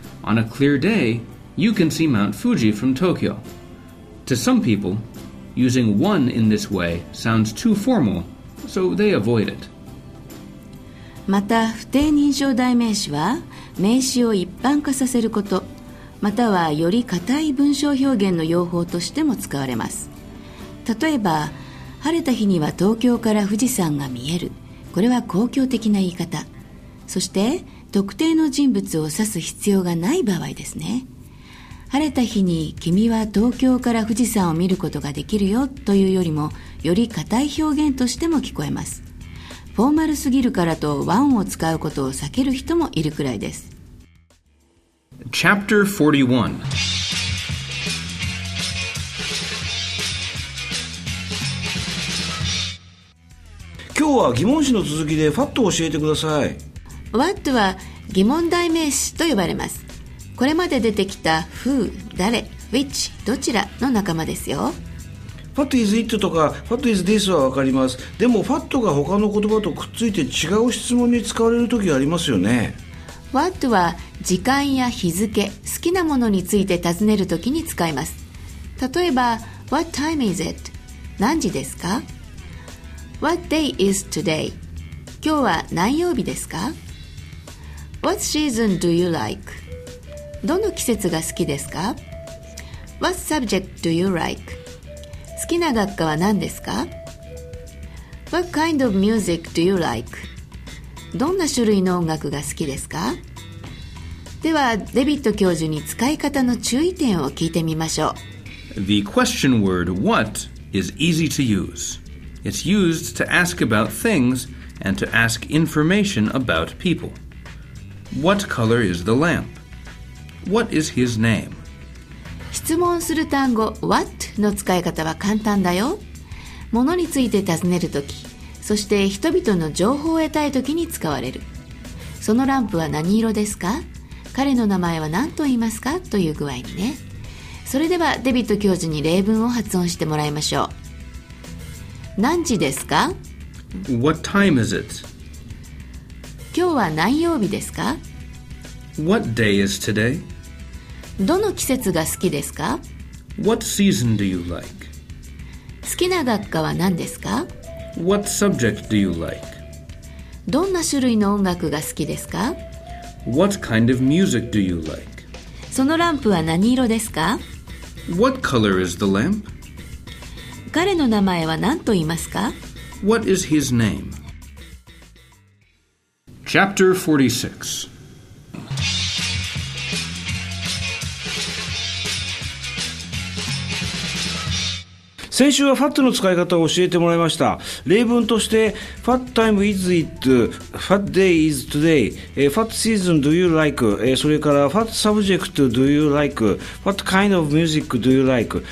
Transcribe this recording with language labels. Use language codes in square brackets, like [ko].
[en] On a clear day, you can see Mount Fuji from Tokyo. To some people, using one in this way sounds too formal, so they avoid it. [ja] また、不定認証代名詞は、名詞を一般化させること、またはより固い文章表現の用法としても使われます。例えば、晴れた日には東京から富士山が見える。これは公共的な言い方。そして、特定の人物を指す必要がない場合ですね。晴れた日に君は東京から富士山を見ることができるよというよりも、より固い表現としても聞こえます。フォーマルすぎるからとワンを使うことを避ける人もいるくらいです。 [en] Chapter 41。 [ja] 今日は疑問詞の続きでファットを教えてください。 What は疑問代名詞と呼ばれます。これまで出てきた Who、誰、Which、どちらの仲間ですよ。 [en] What is it [ja] とか [en] What is this [ja] は分かります。でも What が他の言葉とくっついて違う質問に使われる時ありますよね。 What は時間や日付、好きなものについて尋ねる時に使います。 [en] 例えば What time is it? [ja] 何時ですか。 [en] What day is today? [ja] 今日は何曜日ですか。 [en] What season do you like? [ja] どの季節が好きですか。 [en] What subject do you like? [ja] 好きな学科は何ですか? [en] What kind of music do you like? [ja] どんな種類の音楽が好きですか?では、デビット教授に使い方の注意点を聞いてみましょう。 [en] The question word what is easy to use. It's used to ask about things and to ask information about people. What color is the lamp? What is his name? [ja] 質問する単語 What の使い方は簡単だよ。物について尋ねるとき、そして人々の情報を得たいときに使われる。そのランプは何色ですか？彼の名前は何と言いますか？という具合にね。それではデビット教授に例文を発音してもらいましょう。何時ですか？ [en] What time is it? [ja] 今日は何曜日ですか？ [en] What day is today? [ja] どの季節が好きですか? [en] What season do you like? [ja] 好きな学科は何ですか? [en] What subject do you like? [ja] どんな種類の音楽が好きですか? [en] What kind of music do you like? [ja] そのランプは何色ですか? [en] What color is the lamp? [ja] 彼の名前は何と言いますか? [en] What is his name? Chapter 46 [ja] 先週はファットの使い方を教えてもらいました。例文として [en] What time is it? What day is today? What season do you like? それから What subject do you like? What kind of music do you like?